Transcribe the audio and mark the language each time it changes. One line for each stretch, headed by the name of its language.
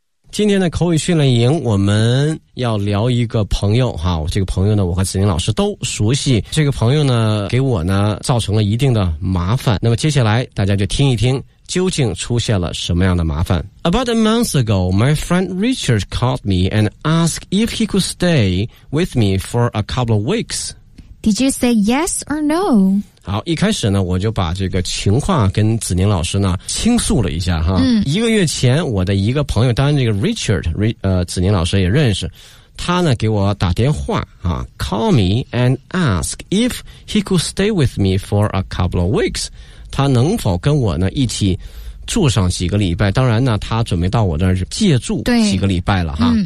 Chinese: 今天的口语训练营我们要聊一个朋友哈，这个朋友呢我和子宁老师都熟悉，这个朋友呢给我呢造成了一定的麻烦，那么接下来大家就听一听究竟出现了什么样的麻烦。
English: About a month ago, my friend Richard called me and asked if he could stay with me for a couple of weeks. Did you say yes or no?
Chinese: 好，一开始呢我就把这个情况跟子宁老师呢倾诉了一下哈。一个月前我的一个朋友，当然这个 Richard 子宁老师也认识，他呢给我打电话啊
English: call me and ask if he could stay with me for a couple of weeks，
Chinese: 他能否跟我呢一起住上几个礼拜，当然呢他准备到我这儿借住几个礼拜了哈。